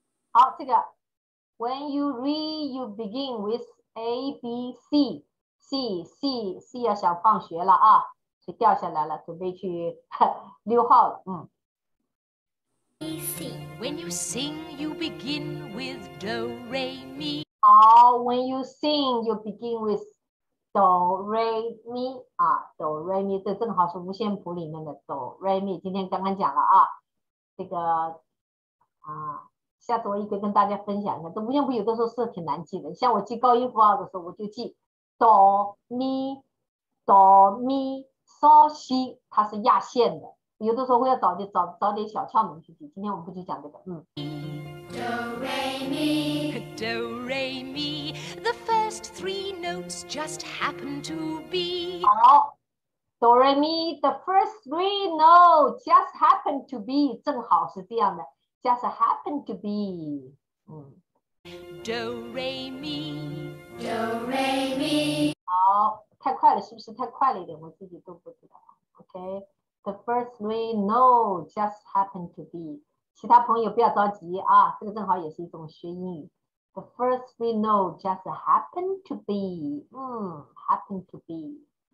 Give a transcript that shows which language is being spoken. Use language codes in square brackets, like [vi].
[en] 好，这个 When you read, you begin with A, B, C. [zh] C, C, C 要想放学了啊，就掉下来了，准备去溜号了。 [en] A, C. When you sing, you begin with Do, Re, Mi. 好 ，When you sing, you begin with. [zh] 哆瑞咪啊，哆瑞咪，这正好是五线谱里面的哆瑞咪。今天刚刚讲了啊，这个啊，下次我也可以跟大家分享一下，这五线谱有的时候是挺难记的，像我记高音符号的时候我就记 Do Mi Do Mi So Si， 它是压线的，有的时候会要 找点小窍门去记，今天我们不去讲这个。嗯， [en] Do re mi, the first three notes just happen to be. 好 ，Do re mi, the first three notes just happen to be. 正好是这样的 ， just happen to be. 嗯，Do re mi, Do re mi. [zh] 好，太快了，是不是太快了一点？我自己都不知道。 [en] OK， the first three notes just happen to be. [zh] 其他朋友不要着急啊，这个正好也是一种学英语。 [en] The first we know just happened to be， [zh] 嗯 [en] ，happened to be。